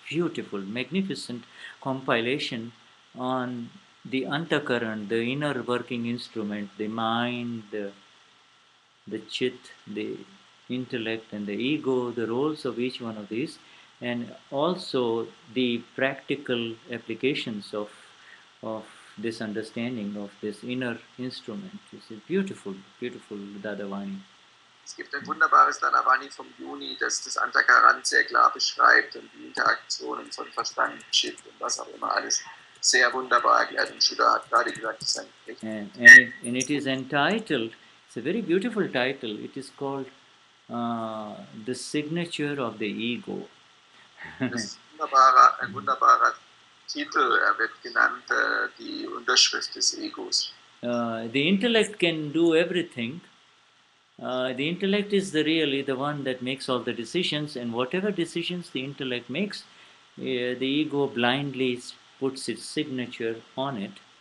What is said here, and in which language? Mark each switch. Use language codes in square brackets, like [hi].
[en] Beautiful, magnificent compilation on the antakaran, the inner working instrument, the mind, the chit, the intellect and the ego, the roles of each one of these, and also the practical applications of this understanding of this inner instrument. It's a beautiful, beautiful Dadavani. [de] Es gibt ein wunderbares Dadavani vom Juni, das das Antakaran sehr klar beschreibt und die Interaktionen von Verstand, Chit und was auch immer alles. Sehr wunderbar. Also Shuddha hat gerade gesagt, das ist ein [en] And it is entitled, it's a very beautiful title, it is called The Signature of the Ego. [de] Das ist ein wunderbarer Titel, er wird genannt Die Unterschrift des Egos. [en] The intellect can do everything. The intellect is really the one that makes all the decisions, and whatever decisions the intellect makes, the ego blindly puts its signature on it.